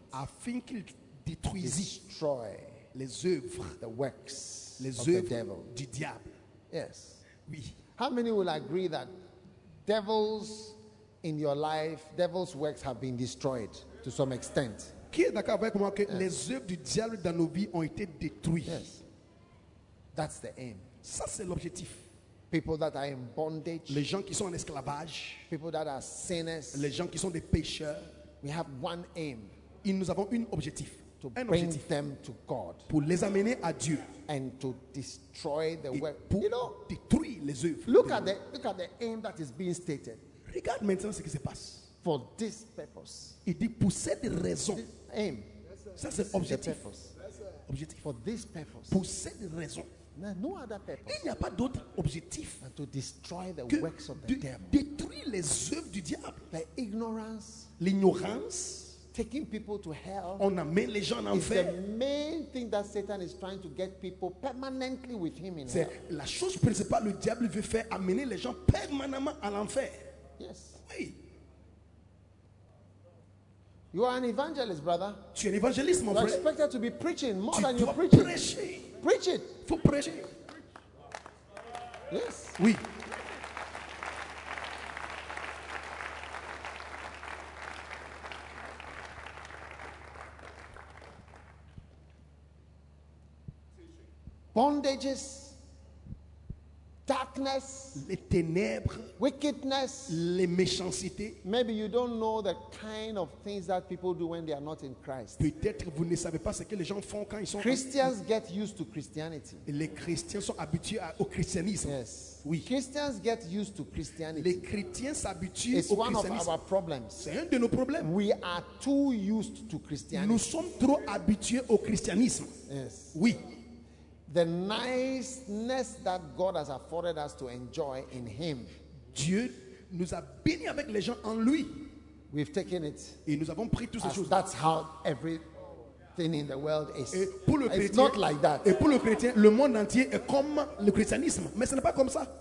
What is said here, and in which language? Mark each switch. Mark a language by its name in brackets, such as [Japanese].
[French] Afin qu'il détruisit. [English] Destroy. [French] Les œuvres. [English] The works. [French] Les [English] of the devil. [French] Du diable. [English] Yes. [French] Oui. [English] How many will agree that devils in your life, devils' works have been destroyed to some extent? [French] Qui est d'accord avec moi que les œuvres du diable dans nos vies ont été détruites? [English] Yes. That's the aim. [French] Ça c'est l'objectif. [English] People that are in bondage. [French] Les gens qui sont en esclavage. [English] People that are sinners. [French] Les gens qui sont des pécheurs. [English] We have one aim. [French] Et nous avons un objectif. [English] To [French] un [English] bring [French] objectif. [English] Them to God. [French] Pour les amener à Dieu. [English] And to destroy the work. [French] Pour [English] you know, [French] détruire les œuvres. [English] Look at the aim that is being stated. [French] Regarde maintenant ce qui se passe. [English] For this purpose. [French] Il dit pour cette raison. [English] Aim. [French] Ça c'est objectif. [English] Yes, [French] objectif. [English] For this purpose. [French] Pour cette raison. [English] No other purpose. [French] Il n'y a pas d'autre objectif [English] to destroy the que works of the devil. [French] Détruire les œuvres du diable. [English] The ignorance, [French] l'ignorance, [English] taking people to hell. [French] On amène les gens en enfer. [English] It's the main thing that Satan is trying to get people permanently with him in [French] c'est [English] hell. [French] La chose principale le diable veut faire amener les gens permanemment à l'enfer. [English] Yes. [French] Oui. [English] You are an evangelist, brother. [French] Tu es un évangéliste, mon [English] you [French] frère. [English] You expected to be preaching more [French] tu [English] than you [French] prêcher. [English] Preaching. Preach it. [French] Faut prêcher. [English] Yes. [French] Oui. [English] bondages, darkness, [French] les ténèbres, [English] wickedness, [French] les méchancetés. [English] Maybe you don't know the kind of things that people do when they are not in Christ. [French] Peut-être vous ne savez pas ce que les gens font quand ils sont [English] Christians en... get used to Christianity. [French] Les chrétiens sont habitués au christianisme. [English] Yes. [French] Oui. [English] Christians get used to Christianity. [French] Les chrétiens s'habituent au christianisme. [English] It's one of our problems. [French] C'est un de nos problèmes. [English] We are too used to Christianity. [French] Nous sommes trop habitués au christianisme. [English] Yes. [French] Oui. [English] The niceness that God has afforded us to enjoy in Him. [French] Dieu nous a béni avec les gens en lui. [English] We've taken it. [French] Et nous avons pris toutes ces choses. [English] That's how everything in the world is. [French] Et pour le chrétien, [English] it's not like that. [French] Et pour le chrétien, le monde entier est comme le christianisme, mais ce n'est pas comme ça.